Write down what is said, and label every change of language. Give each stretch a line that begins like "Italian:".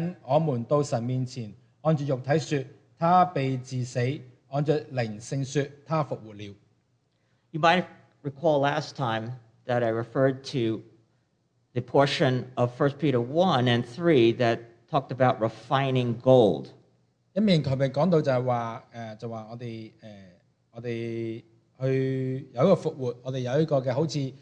Chinese: 为要引我们到神面前, 按着肉体说, 祂被致死, 按着灵性说, 祂复活了。
English: You might recall last time that I referred to the portion of 1 Peter 1 and 3 that talked about refining gold.
Chinese: 一面他们讲到就是说, 就说我们, 我们有一个复活,